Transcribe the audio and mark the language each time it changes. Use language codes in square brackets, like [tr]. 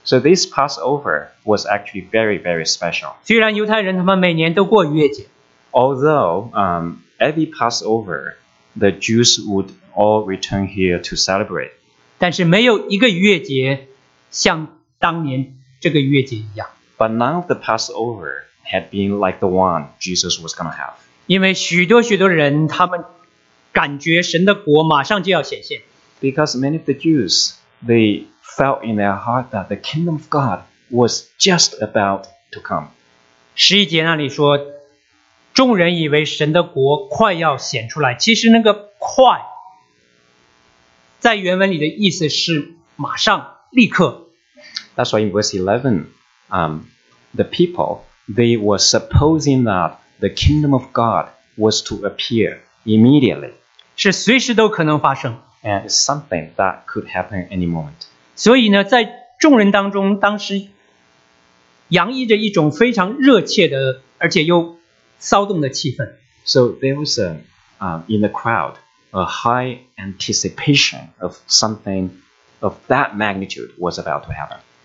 [en] So this Passover was actually very, very special. [zh] 虽然犹太人他们每年都过逾越节。 [en] Although every Passover, the Jews would all return here to celebrate. [zh] 但是没有一个逾越节像当年这个逾越节一样。 [en] But none of the Passover had been like the one Jesus was going to have. [zh] 因为许多许多人他们感觉神的国马上就要显现。 [en] Because many of the Jews, they felt in their heart that the kingdom of God was just about to come. [zh] 十一节那里说, 众人以为神的国快要显出来,其实那个快在原文里的意思是马上,立刻。 [en] That's why in verse 11, the people, they were supposing that the kingdom of God was to appear immediately. [zh] 是随时都可能发生。 [en] And it's something that could happen any moment. [zh] 所以呢,在众人当中, 当时洋溢着一种非常热切的,而且又 [en] So there was a, in the crowd, a high anticipation of something of that magnitude was about to happen.